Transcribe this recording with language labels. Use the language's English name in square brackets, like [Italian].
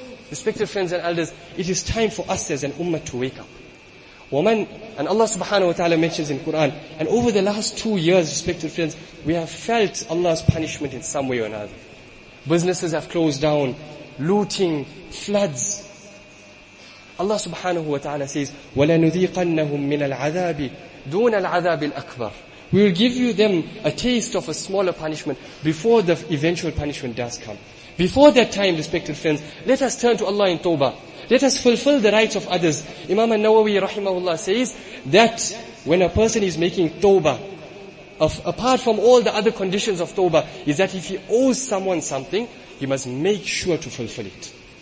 [English] Respected friends and elders, it is time for us as an ummah to wake up. Woman, and Allah subhanahu wa ta'ala mentions in Quran, and over the last 2 years, respected friends, we have felt Allah's punishment in some way or another. Businesses have closed down, looting, floods. Allah subhanahu wa ta'ala says, [Arabic] وَلَنُذِيقَنَّهُمْ مِنَ الْعَذَابِ دُونَ الْعَذَابِ الْأَكْبَرِ. [English] We will give you them a taste of a smaller punishment before the eventual punishment does come. Before that time, respected friends, let us turn to Allah in tawbah. Let us fulfill the rights of others. Imam al-Nawawi rahimahullah says that when a person is making tawbah, apart from all the other conditions of tawbah, is that if he owes someone something, he must make sure to fulfill it.